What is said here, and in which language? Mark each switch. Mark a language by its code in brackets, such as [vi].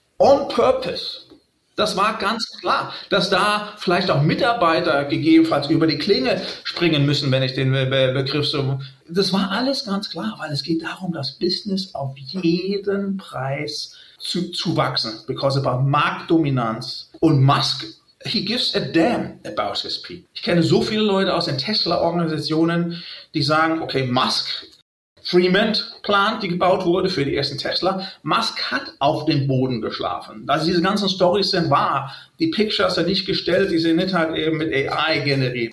[en] On purpose. [de] Das war ganz klar, dass da vielleicht auch Mitarbeiter gegebenenfalls über die Klinge springen müssen, wenn ich den Begriff so... Das war alles ganz klar, weil es geht darum, das Business auf jeden Preis zu wachsen. [en] Because of [de] Marktdominanz und [en] Musk, he gives a damn about his people. [de] Ich kenne so viele Leute aus den Tesla-Organisationen, die sagen, okay, Musk, Fremont Plant, die gebaut wurde für die ersten Tesla, Musk hat auf dem Boden geschlafen. Also diese ganzen Stories sind wahr. Die Pictures sind nicht gestellt, die sind nicht halt eben mit AI generiert.